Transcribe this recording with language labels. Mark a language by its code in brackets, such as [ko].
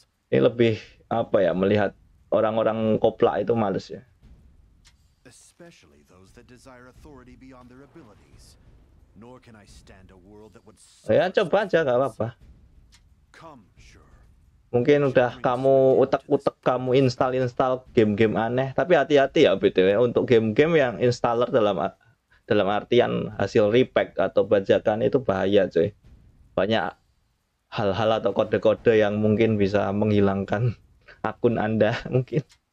[id] Ini lebih apa ya, melihat orang-orang koplak itu males ya. [en] Especially those that desire authority beyond their abilities. Nor can I stand a world that would. [id] Ya coba aja enggak apa-apa. [en] Come, sure. [id] Mungkin udah kamu utek-utek kamu install game-game aneh, tapi hati-hati ya BTW untuk game-game yang installer dalam artian hasil repack atau bajakan itu bahaya, cuy. Banyak hal-hal atau kode-kode yang mungkin bisa menghilangkan akun Anda mungkin.